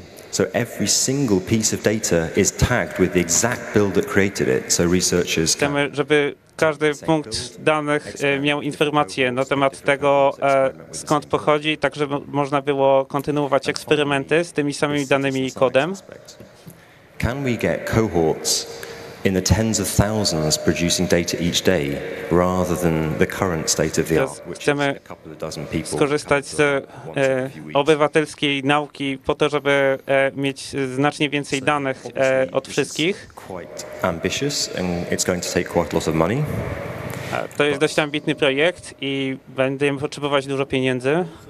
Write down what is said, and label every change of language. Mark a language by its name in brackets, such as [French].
[English] So every single piece of data is tagged with the exact build that created it, so researchers can. [Polish] Chcemy, żeby każdy punkt danych miał informacje na temat tego, skąd pochodzi, tak żeby można było kontynuować eksperymenty z tymi samymi danymi i kodem. [English] Can we get cohorts in the tens of thousands producing data each day, rather than the current state of the art, which is a couple of dozen people. [Polish] Skorzystać z obywatelskiej nauki po to, żeby mieć znacznie więcej danych od wszystkich. [English] Quite ambitious, and it's going to take quite a lot of money. [Polish] To jest dość ambitny projekt i będę potrzebować dużo pieniędzy.